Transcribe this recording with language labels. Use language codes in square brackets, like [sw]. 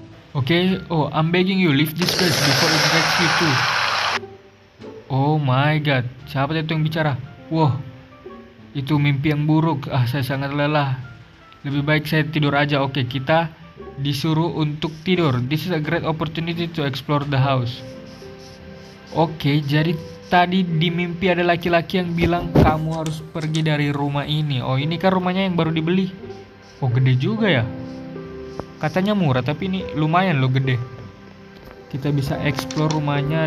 [en] Okay, oh, I'm begging you, leave this place before it gets you too. [id] Oh my god, siapa itu yang bicara? Wah, itu mimpi yang buruk. Ah, saya sangat lelah. Lebih baik saya tidur aja. Okay, kita disuruh untuk tidur. [en] This is a great opportunity to explore the house. [id] Okay, jadi tadi di mimpi ada laki-laki yang bilang kamu harus pergi dari rumah ini. Oh, ini kan rumahnya yang baru dibeli. Oh, gede juga ya. Katanya murah, tapi ini lumayan loh gede. Kita bisa explore rumahnya.